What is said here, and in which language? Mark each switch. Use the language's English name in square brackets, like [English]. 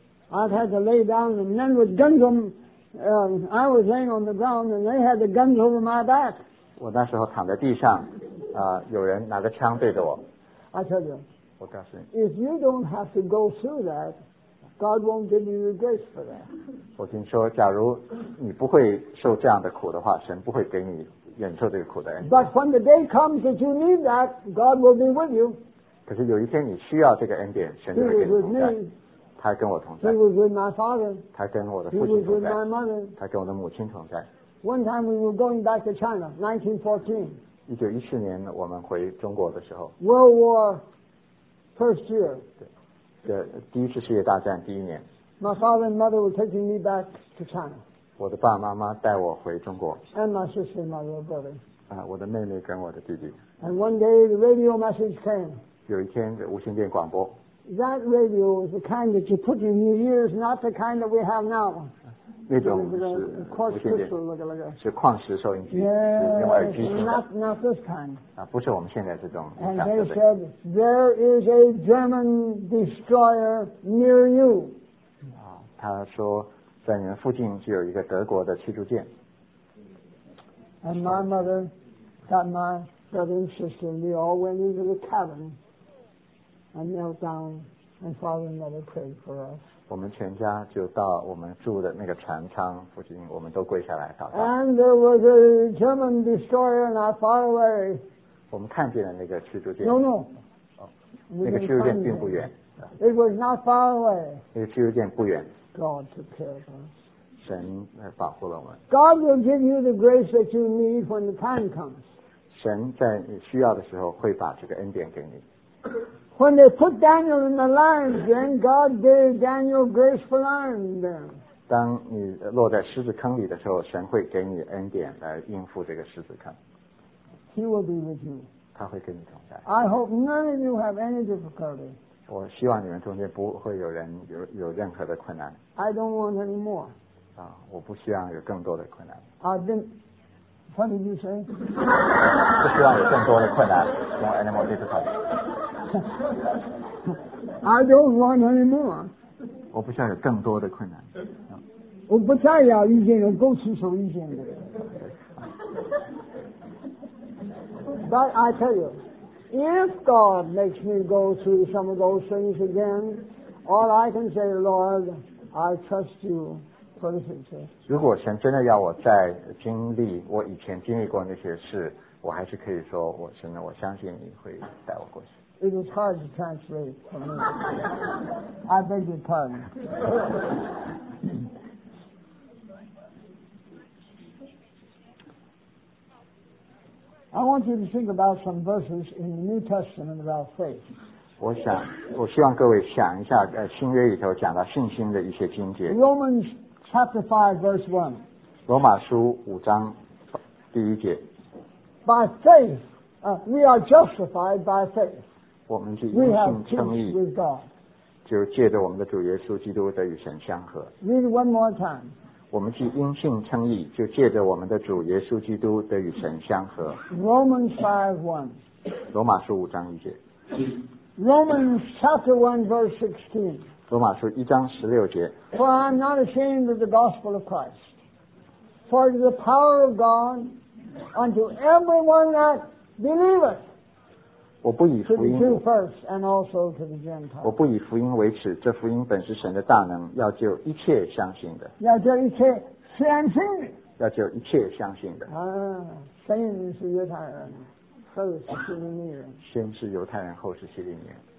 [English] I've had to lay down and men with guns on, I was laying on the ground and they had the guns over my back. [Chinese] 我那时候躺在地上，有人拿着枪对着我。 [English] I tell you, [Chinese] 我告诉你 [English] if you don't have to go through that, God won't give you grace for that. [Chinese] 我听说，假如你不会受这样的苦的话，神不会给你忍受这个苦的。 [English] But when the day comes that you need that, God will be with you. [Chinese] 可是有一天你需要这个恩典，神就会给你同在。他跟我同在。 [English] He was with my father. [Chinese] 他跟我的父亲同在。 [English] He was with my mother. [Chinese] 他跟我的母亲同在。 [English] One time we were going back to China, 1914. [Chinese] 1914年我们回中国的时候。 [English] World War first year. [Chinese] 对，第一次世界大战第一年。 [English] My father and mother were taking me back to China. [Chinese] 我的爸爸妈妈带我回中国。 [English] And my sister and my little brother. [Chinese] 我的妹妹跟我的弟弟。 [English] And one day the radio message came. [Chinese] 有一天无线电广播。 [English] That radio was the kind that you put in your ears, not the kind that we have now. [Chinese] 那种是无线电，是矿石收音机， [English] yeah, [Chinese] 用耳机听的。 [English] Not this kind. [Chinese] 不是我们现在这种。 [English] And they said there is a German destroyer near you. [Chinese] 他说在你们附近就有一个德国的驱逐舰。 [English] And my mother, got my brother and sister, they all went into the cabin. And knelt down, and father and mother prayed for us. [Chinese] 我们全家就到我们住的那个船舱附近，我们都跪下来祷告。 [English] And there was a German destroyer not far away. [Chinese] 我们看见了那个驱逐舰。 [English] No, no. [Chinese] 那个驱逐舰并不远。 [English] It was not far away. [Chinese] 那个驱逐舰不远。 [English] God took care of us. [Chinese] 神保护了我们。 [English] God will give you the grace that you need when the time comes. [Chinese] 神在你需要的时候会把这个恩典给你。 [English] When they put Daniel in the lions, then God gave Daniel grace for lions. [Chinese] 当你落在狮子坑里的时候，神会给你恩典来应付这个狮子坑。 [English] He will be with you. [Chinese] 他会跟你同在。 [English] I hope none of you have any difficulty. [Chinese] 我希望你们中间不会有人有任何的困难。 [English] I don't want any more. [Chinese] 我不希望有更多的困难。 [English] I've been. What did you say? [Chinese] 不希望有更多的困难。 [English] No any more difficulty. I don't want any more. [Chinese] 我不想有更多的困难。我不再要遇见人够持守遇见的。 [English] But I tell you, if God makes me go through some of those things again, all I can say, Lord, I trust you for the future. [Chinese] 如果神真的要我再经历我以前经历过那些事，我还是可以说，我神，我相信你会带我过去。 [English] It was hard to translate for me. I beg your pardon. I want you to think about some verses in the New Testament about faith. [Chinese] 我希望各位想一下，新约里头讲到信心的一些经节。 [English] Romans chapter 5 verse 1. [Chinese] 罗马书五章第一节。 [English] By faith, we are justified by faith. [Chinese] 我们是因信称义，就借着我们的主耶稣基督得与神相合。 [English] Read one more time. [Chinese] 我们是因信称义，就借着我们的主耶稣基督得与神相合。 [English] Romans 5:1. [Chinese] 罗马书五章一节。 [English] Romans chapter 1 verse 16. [Chinese] 罗马书一章十六节。 [English] For I am not ashamed of the gospel of Christ, for it is the power of God unto everyone that believeth. [Chinese] 我不以福音 [English] to the Jew first and also to the Gentile. [Chinese] 我不以福音为耻，这福音本是神的大能，要救一切相信的。要救一切相信。要救一切相信的。先是犹太人，后是希利尼人。先是犹太人，后是希利尼人。